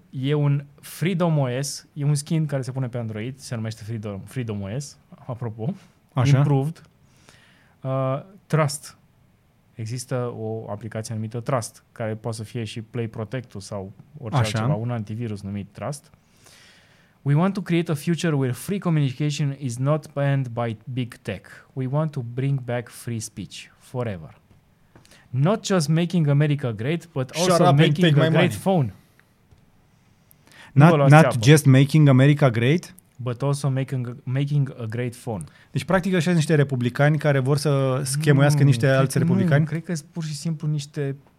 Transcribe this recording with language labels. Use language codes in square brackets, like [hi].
[ro] E un Freedom OS, e un skin care se pune pe Android, se numește Freedom OS, apropo, așa. [en] Improved. Trust. [ro] Există o aplicație numită Trust, care poate să fie și Play Protect-ul sau orice așa, altceva, un antivirus numit Trust. [en] We want to create a future where free communication is not banned by big tech. We want to bring back free speech forever. Not just making America great, but also making a great phone. Not just making America great, but also making a great phone. [ro] Deci practic așa sunt niște republicani care vor să schemuiască niște alți republicani. Cred că sunt pur și simplu niște...